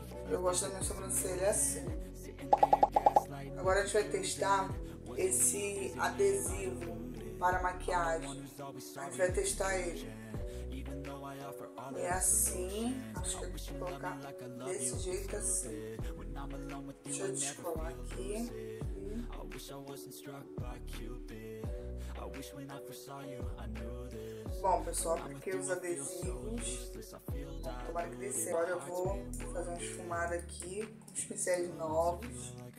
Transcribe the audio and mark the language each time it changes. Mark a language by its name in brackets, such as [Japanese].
[Portuguese] Eu gosto da minha sobrancelha assim. Agora a gente vai testar esse adesivo para maquiagem. A gente vai testar ele. E é assim, acho que eu vou colocar desse jeito assim. Deixa eu descolar aqui. [English] I wish I wasn't struck by Cupid. I wish when I first saw you I knew this. [Portuguese] Bom, pessoal, porque os adesivos, tomara que desse. Agora eu vou fazer uma esfumada aqui com os pincéis novos.